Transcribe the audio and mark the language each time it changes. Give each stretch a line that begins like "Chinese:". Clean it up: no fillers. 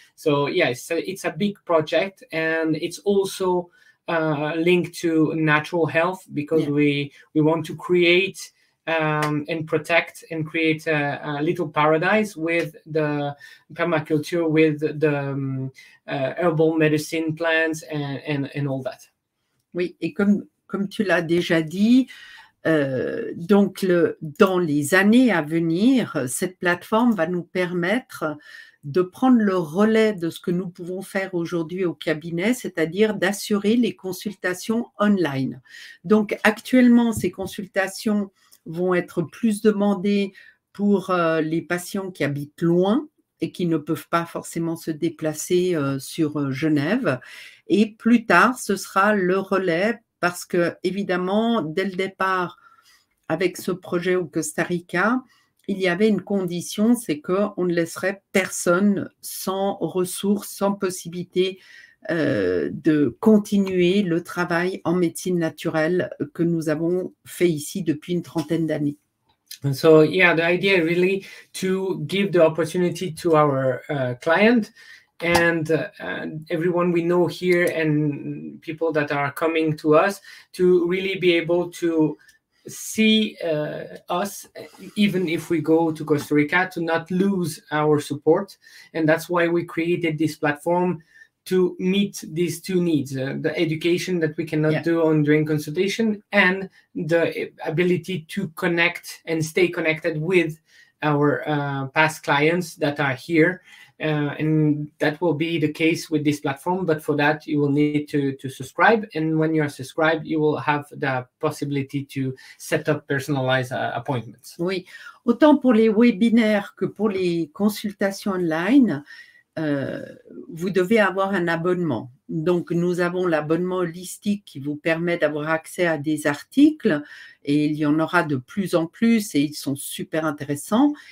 English: So yes, yeah, it's a big project, and it's also linked to natural health, because we want to create and protect and create a little paradise with the permaculture, with the herbal medicine plants and all that.
French: Oui, et comme tu l'as déjà dit, donc dans les années à venir, cette plateforme va nous permettre de prendre le relais de ce que nous pouvons faire aujourd'hui au cabinet, c'est-à-dire d'assurer les consultations online. Donc actuellement, ces consultations vont être plus demandées pour les patients qui habitent loin et qui ne peuvent pas forcément se déplacer sur Genève. Et plus tard, ce sera le relais, parce que, évidemment, dès le départ, avec ce projet au Costa Rica, il y avait une condition, c'est qu'on ne laisserait personne sans ressources, sans possibilité de continuer le travail en médecine naturelle que nous avons fait ici depuis une trentaine d'années.
English: And so, yeah, the idea is really to give the opportunity to our client and everyone we know here and people that are coming to us to really be able to see us, even if we go to Costa Rica, to not lose our support. And that's why we created this platform, to meet these two needs, the education that we cannot do on during consultation, and the ability to connect and stay connected with our past clients that are here. And that will be the case with this platform. But for that, you will need to subscribe. And when you are subscribed, you will have the possibility to set up personalized appointments.
French: Oui, autant pour les webinaires que pour les consultations online, vous devez avoir un abonnement. Donc, nous avons l'abonnement holistique qui vous permet d'avoir accès à des articles et il y en aura de plus en plus et ils sont super intéressants.